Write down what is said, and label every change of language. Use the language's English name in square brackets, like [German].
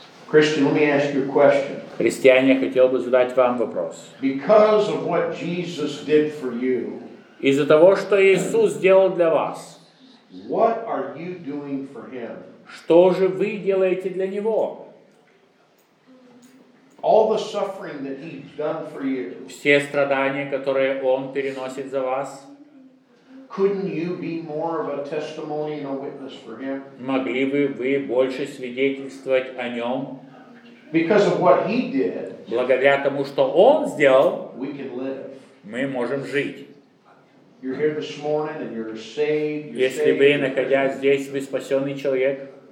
[English] Christian, let me ask you a question. [Russian] Христиане, я хотел бы задать вам вопрос. [English] Because of what Jesus did for you, [Russian] из-за того, что Иисус сделал для вас, [English] what are you doing for him? [Russian] Что же вы делаете для него? [English] All the suffering that he's done for you. [Russian] Все страдания, которые он переносит за вас. [English] Couldn't you be more of a testimony and a witness for him? [Russian] Могли бы вы больше свидетельствовать о нем? [English] Because of what he did. [Russian] Благодаря тому, что он сделал, [English] we can live. [Russian] Мы можем жить. [English] You're here this morning and you're saved. [Russian] Если вы, находясь здесь, вы спасенный человек.